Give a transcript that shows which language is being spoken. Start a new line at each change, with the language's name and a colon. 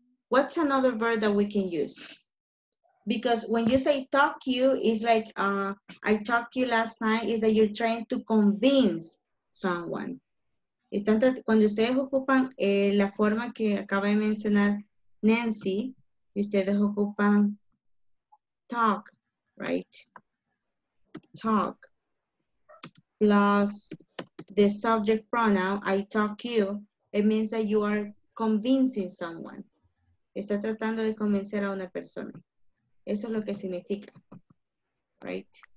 English: What's another verb that we can use? Because when you say talk you, it's like I talked to you last night, is that you're trying to convince someone.
Spanish: Es tanto cuando ustedes ocupan la forma que acaba de mencionar Nancy, ustedes ocupan talk, right?
English: Talk plus the subject pronoun, I talk you, it means that you are convincing someone.
Spanish: Está tratando de convencer a una persona. Eso es lo que significa. Right?